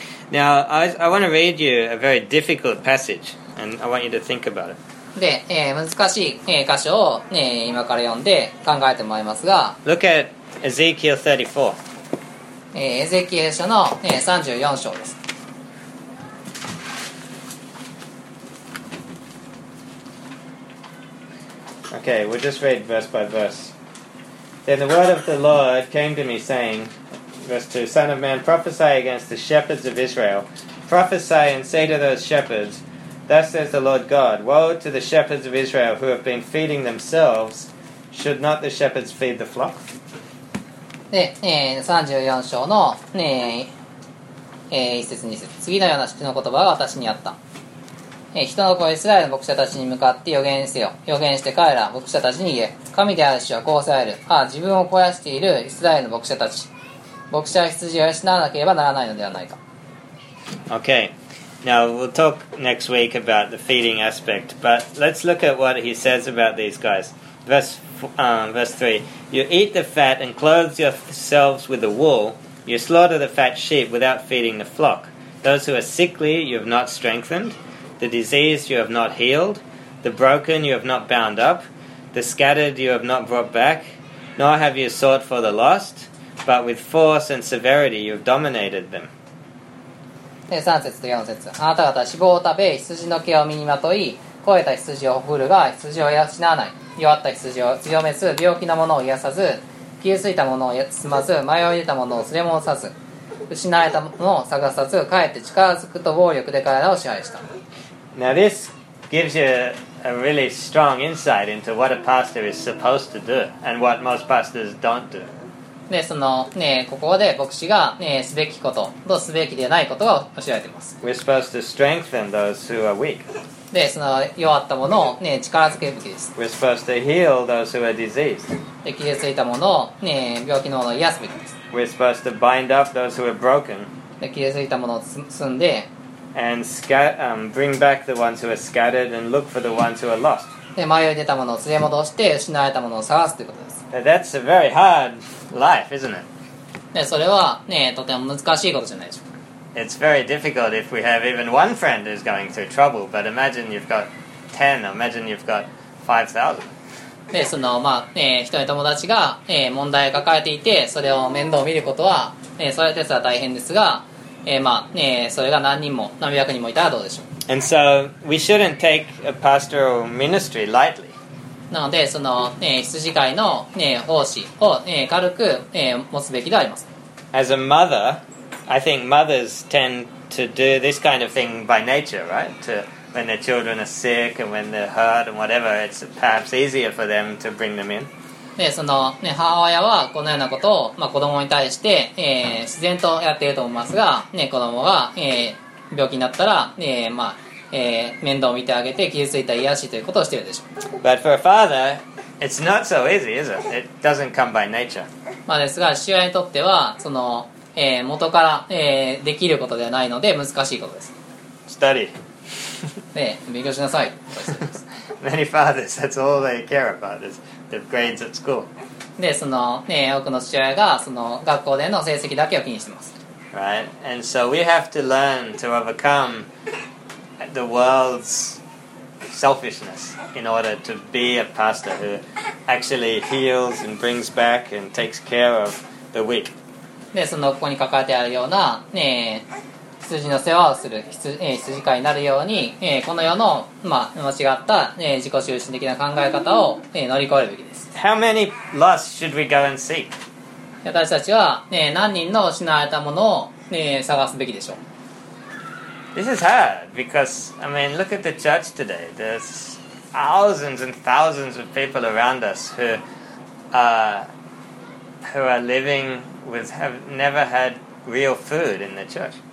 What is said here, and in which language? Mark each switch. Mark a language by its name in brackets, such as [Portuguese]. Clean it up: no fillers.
[English] Now, I want to read you a very difficult passage, and I want you to think about it. [Japanese] で、難しい、箇所を、今から読んで考えてもらいますが。 [English] Look at Ezekiel 34. [Japanese] エゼキエル書の、34章です。 [English] Okay, we'll just read verse by verse. Then the word of the Lord came to me, saying, verse 2, Son of man, prophesy against the shepherds of Israel. Prophesy and say to those shepherds, Thus says the Lord God, Woe to the shepherds of Israel who have been feeding themselves. Should not the shepherds feed the flock? [Japanese] で、34章の、1節2節次のような主の言葉が私にあった、人の子イスラエルの牧者たちに向かって予言せよ予言して彼ら牧者たちに言え神である主はこうされるああ自分を肥やしているイスラエルの牧者たち牧者は羊を養わなければならないのではないか [English] OK Now we'll talk next week about the feeding aspect but let's look at what he says about these guys Verse 3 You eat the fat and clothe yourselves with the wool. You slaughter the fat sheep without feeding the flock. Those who are sickly you have not strengthened. The diseased you have not healed. The broken you have not bound up. The scattered you have not brought back. Nor have you sought for the lost. But with force and severity you have dominated them. [Japanese] 3節と4節あなた方は脂肪を食べ羊の毛を身にまとい肥えた羊を振るが羊を養わない弱った羊を強めず病気なものを癒さず傷ついたものを済まず迷い出たものを連れ戻さず失われたものを探さずかえって力づくと暴力で彼らを支配した [English] Now this gives you a really strong insight into what a pastor is supposed to do and what most pastors don't do [Japanese] でその、ね、ここで牧師が、ね、すべきこととすべきではないことが教えています [English] We're supposed to strengthen those who are weak [Japanese] でその弱ったものを、ね、力づけるべきです [English] We're supposed to heal those who are diseased [Japanese] で傷ついたものを、ね、病気のものを癒すべきです [English] We're supposed to bind up those who are broken [Japanese] で傷ついたものを積んで [English] And bring back the ones who are scattered and look for the ones who are lost [Japanese] で迷い出たものを連れ戻して失われたものを探すということです [English] That's a very hard life, isn't it? [Japanese] でそれは、ね、とても難しいことじゃないでしょうか [English] It's very difficult if we have even one friend who's going through trouble, but imagine you've got 10, or imagine you've got 5,000. [Japanese] で、その、まあ、ね、人の友達が、問題を抱えていて、それを面倒見ることは、それですら大変ですが、まあ、ね、それが何人も、何百人もいたらどうでしょう。 [English] And so, we shouldn't take a pastoral ministry lightly. [Japanese] なので、その、ね、羊飼いの、ね、奉仕を、ね、軽く、持つべきであります。 [English] As a mother,I think mothers tend to do this kind of thing by nature, right? To, when their children are sick and when they're hurt and whatever, it's perhaps easier for them to bring them in. [Japanese] で、その、ね、母親はこのようなことを、まあ、子供に対して、自然とやっていると思いますが、ね、子供が、病気になったら、まあ、面倒を見てあげて傷ついた癒しということをしているでしょう。 [English] But for a father, it's not so easy, is it? It doesn't come by nature. [Japanese] まあですが、父親にとってはその元から、できることではないので難しいことです。 [English] Study. [Japanese] 勉強しなさい。 [English] Many fathers, that's all they care about is the grades at school. [Japanese] で、その、多くの父親がその学校での成績だけを気にしてます。 [English] Right. And so we have to learn to overcome the world's selfishness in order to be a pastor who actually heals and brings back and takes care of the weak. [Japanese] でそのここに書かれてあるような、羊の世話をする 羊飼いになるように、この世の、まあ、間違った、自己中心的な考え方を、乗り越えるべきです [English] How many lost should we go and seek? [Japanese] 私たちは、何人の失われたものを、探すべきでしょう [English] This is hard because I mean look at the church today There's thousands and thousands of people around us who are livingHave never had real food in the church.